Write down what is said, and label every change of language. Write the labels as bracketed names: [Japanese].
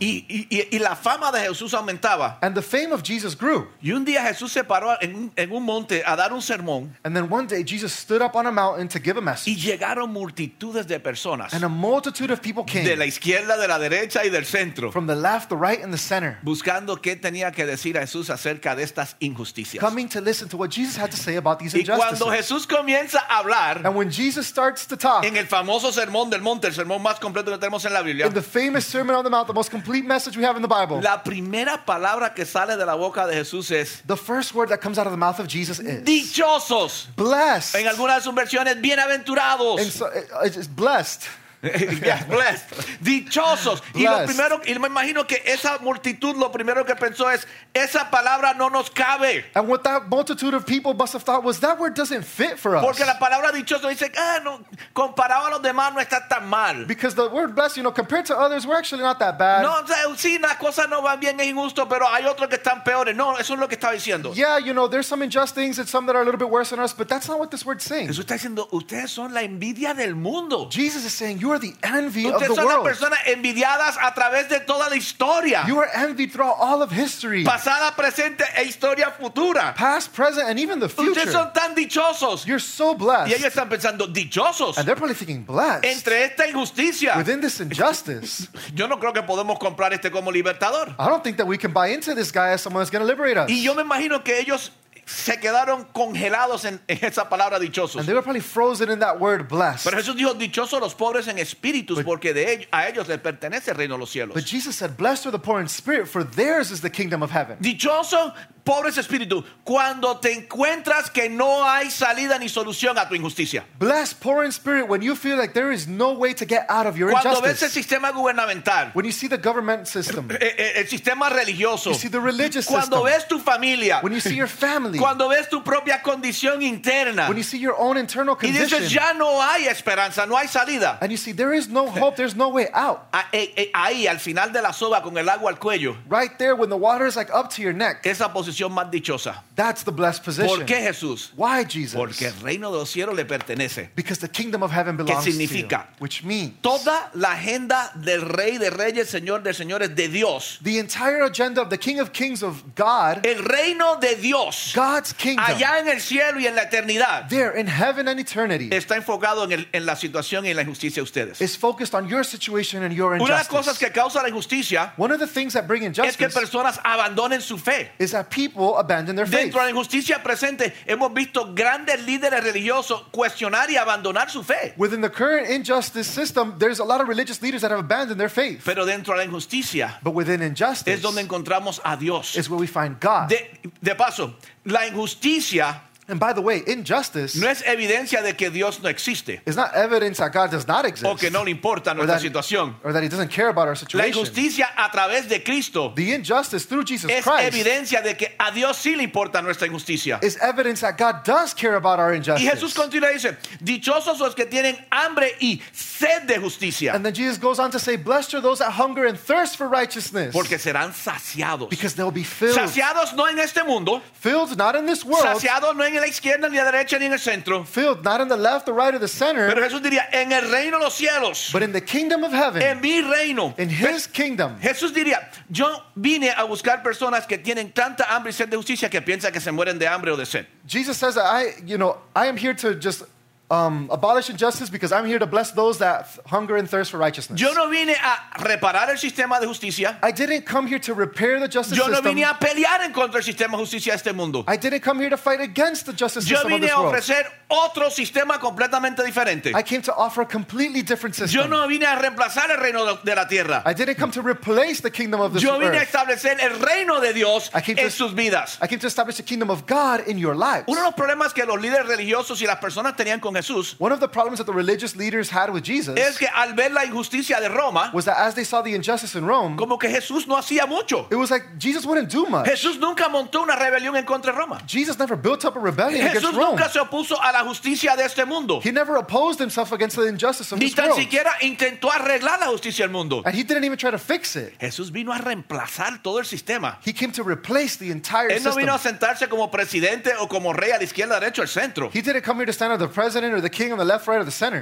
[Spanish] Y la fama de Jesús aumentaba. [English] And the fame of Jesus grew. [Spanish] Y un día Jesús se paró en un monte a dar un sermón. [English] And then one day Jesus stood up on a mountain to give a message. [Spanish] Y llegaron multitudes de personas. [English] And a multitude of people came [Spanish] de la izquierda, de la derecha y del centro, [English] from the left, the right, and the center, [Spanish] buscando qué tenía que decir a Jesús acerca de estas injusticias, [English] coming to listen to what Jesus had to say about these injustices. [Spanish] Y cuando Jesús comienza a hablar, [English] and when Jesus starts to talk, [Spanish] en el famoso sermón del monte, el sermón más completo que tenemos en la Biblia, [English] in the famous Sermon on the Mount, the most complete message we have in the Bible, [Spanish] la primera palabra que sale de la boca de Jesús es, [English] the first word that comes out of the mouth of Jesus is, [Spanish] dichosos, [English] blessed, [Spanish] en algunas de sus versiones, bienaventurados, [English] and so, it's blessed. Yeah, blessed. [Spanish] Dichosos. [English] Blessed. [Spanish] Y lo primero, y me imagino que esa multitud lo primero que pensó es, esa palabra no nos cabe. [English] And what that multitude of people must have thought was, that word doesn't fit for us. [Spanish] Porque la palabra dichoso dice, no, comparado a los demás no está tan mal. [English] Because the word blessed, you know, compared to others, we're actually not that bad. [Spanish] No, sí, las cosas no van bien, es injusto, pero hay otros que están peores. No, eso es lo que estaba diciendo. [English] Yeah, you know, there's some unjust things and some that are a little bit worse than us, but that's not what this word's saying. [Spanish] Jesús está diciendo, ustedes son la envidia del mundo. [English] Jesus is saying, you are the envy of the world. [Spanish] Ustedes son las personas envidiadas a través de toda la historia. [English] You are envied throughout all of history. [Spanish] Pasada, presente e historia futura. [English] Past, present, and even the future. [Spanish] Ustedes son tan dichosos. [English] You're so blessed. [Spanish] Y ellos están pensando, dichosos. [English] And they're probably thinking, blessed. [Spanish] Entre esta injusticia. [English] Within this injustice. [Spanish] Yo no creo que podemos comprar este como libertador. [English] I don't think that we can buy into this guy as someone that's going to liberate us. [Spanish] Y yo me imagino que ellos se quedaron congelados en esa palabra dichosos. [English] And they were probably frozen in that word blessed. [Spanish] Pero Jesús dijo dichosos los pobres en espíritus porque de ellos, a ellos les pertenece el reino de los cielos. [English] But Jesus said blessed are the poor in spirit for theirs is the kingdom of heaven. [Spanish] Dichoso pobres espíritu cuando te encuentras que no hay salida ni solución a tu injusticia. [English] Blessed poor in spirit when you feel like there is no way to get out of your [Spanish] cuando [English] injustice. [Spanish] Cuando ves el sistema gubernamental. [English] When you see the government system. [Spanish] El sistema religioso. [English] You see the religious [Spanish] cuando [English] system. [Spanish] Cuando ves tu familia. [English] When you see your family. [Spanish] Cuando ves tu propia condición interna. [English] When you see your own internal condition. [Spanish] Y dices ya no hay esperanza, no hay salida. [English] And you see there is no hope, there's no way out. [Spanish] Ahí al final de la soga con el agua al cuello. [English] Right there when the water is like up to your neck. [Spanish] Esa posición. Más dichosa. [English] That's the blessed position. [Spanish] ¿Por qué Jesús? [English] Why Jesus? [Spanish] Porque el reino de los cielos le pertenece. [English] Because the kingdom of heaven belongs [Spanish] ¿qué significa? [English] To you. Which means [Spanish] toda la agenda del Rey de Reyes, Señor de Señores, de Dios. [English] The entire agenda of the King of Kings of God. [Spanish] El reino de Dios. [English] God's kingdom. [Spanish] Allá en el cielo y en la eternidad. [English] There in heaven and eternity. [Spanish] Está enfocado en la situación y en la injusticia de ustedes. [English] Is focused on your situation and your injustice. [Spanish] Una de las cosas que causa la injusticia. [English] One of the things that bring injustice. [Spanish] Es que personas abandonen su fe. [English] Is that people abandon their faith. [Spanish] Dentro de la injusticia presente, hemos visto grandes líderes religiosos cuestionar y abandonar su fe. [English] Within the current injustice system, there's a lot of religious leaders that have abandoned their faith. [Spanish] Pero dentro de la injusticia, [English] but within injustice, [Spanish] es donde encontramos a Dios. [English] Is where we find God. [Spanish] De paso, la injusticia. [English] And by the way, injustice [Spanish] no es evidencia de que Dios no existe. [English] It's not evidence that God does not exist. [Spanish] O que no le importa nuestra situación. [English] Or that he doesn't care about our situation. [Spanish] La injusticia a través de Cristo. [English] The injustice through Jesus [Spanish] es [English] Christ. [Spanish] Es evidencia de que a Dios sí le importa nuestra injusticia. [English] Is evidence that God does care about our injustice. [Spanish] Y Jesús continúa y dice, dichosos los que tienen hambre y sed de justicia. [English] And then Jesus goes on to say, blessed are those that hunger and thirst for righteousness. [Spanish] Porque serán saciados. [English] Because they'll be filled. [Spanish] Saciados no en este mundo. [English] Filled not in this world. [Spanish] Saciados no en ni a la izquierda, ni a la derecha, ni en el centro. [English] Filled, not in the left, the right, or the center. [Spanish] Pero Jesús diría, en el reino de los cielos. [English] But in the kingdom of heaven. [Spanish] En mi reino. [English] In his kingdom. [Spanish] Jesús diría, yo vine a buscar personas que tienen tanta hambre y sed de justicia que piensan que se mueren de hambre o de sed. [English] Jesus says, I am here to just abolish injustice because I'm here to bless those that hunger and thirst for righteousness. [Spanish] Yo no vine a reparar el sistema de justicia. [English] I didn't come here to repair the justice system. [Spanish] Yo no vine a pelear en contra del sistema de justicia de este mundo. [English] I didn't come here to fight against the justice system of this world. [Spanish] Yo vine a ofrecer otro sistema completamente diferente. [English] I came to offer a completely different system. [Spanish] Yo no vine a reemplazar el reino de la tierra. [English] I didn't come to replace the kingdom of this earth. [Spanish] Yo vine a establecer el reino de Dios en sus vidas. [English] I came to establish the kingdom of God in your lives. [Spanish] Uno de los problemas que los líderes religiosos y las personas tenían con Jesús, [English] one of the problems that the religious leaders had with Jesus, [Spanish] es que al ver la injusticia de Roma, [English] was that as they saw the injustice in Rome, [Spanish] como que Jesús no hacía mucho. [English] It was like Jesus wouldn't do much. [Spanish] Jesús nunca montó una rebelión en contra de Roma. [English] Jesus never built up a rebellion [Spanish] Jesús [English] against [Spanish] nunca [English] Rome. [Spanish] Se opuso a la justicia de este mundo. [English] He never opposed himself against the injustice of [Spanish] ni [English] this world. [Spanish] Ni tan siquiera intentó arreglar la justicia del mundo. [English] And he didn't even try to fix it. [Spanish] Jesús vino a reemplazar todo el sistema. [English] He came to replace the entire [Spanish] Él no [English] system. [Spanish] Vino a sentarse como presidente o como rey a la izquierda, derecho, al centro. [English] He didn't come here to stand as the president or the king on the left, right, or the center.